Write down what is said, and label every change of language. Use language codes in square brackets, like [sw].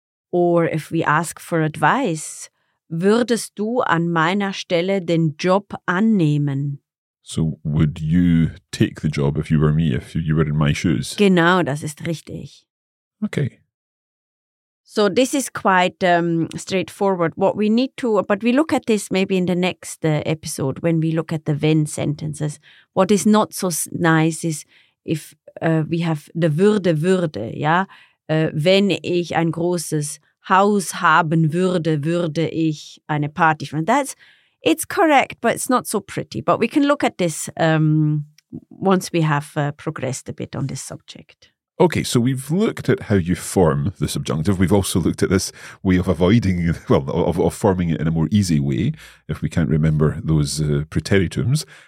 [en] Or if we ask for advice, [de] würdest du an meiner Stelle den Job annehmen? [en] So would you take the job if you were me, if you were in my shoes? [de] Genau, das ist richtig. [en] Okay. So this is quite straightforward. What we need to, but we look at this maybe in the next episode when we look at the wenn sentences. What is not so nice is if we have the würde, yeah? [de] Wenn ich ein großes Haus haben würde, würde ich eine Party. [en] It's correct, but it's not so pretty. But we can look at this once we have progressed a bit on this subject. Okay, so we've looked at how you form the subjunctive. We've also looked at this way of avoiding, well, of forming it in a more easy way, if we can't remember those preteritums.